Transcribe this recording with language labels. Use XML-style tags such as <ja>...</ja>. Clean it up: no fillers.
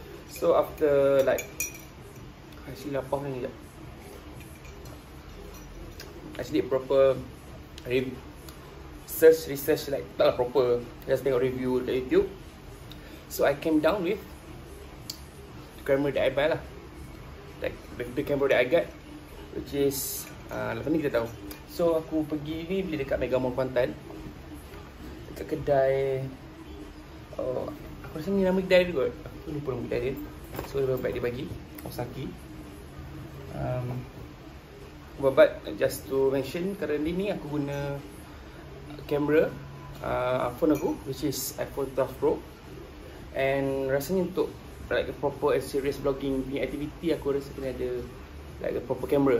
<en>So after like I did proper research like</en> <ms>tak lah proper,</ms> <en>just</en> <ms>tengok review dekat</ms> <en>YouTube. So I came down with the camera that I buy lah, like the camera that I got, which is</en> <ms>lepas ni kita tahu. So aku pergi ni beli dekat Mega Mall Kuantan, dekat kedai, aku rasa ni nama kedai dia kot, aku lupa nama kedai dia. So lebih baik dia bagi Osaki.</ms> <en>But just to mention, currently</en> <ms>ni aku guna kamera phone aku,</ms> <en>which is iPhone 12 Pro. And</en> <ms>rasanya untuk</ms> <en>like a proper and serious vlogging activity,</en> <ms>aku rasa kena ada</ms> <en>like a proper camera.</en>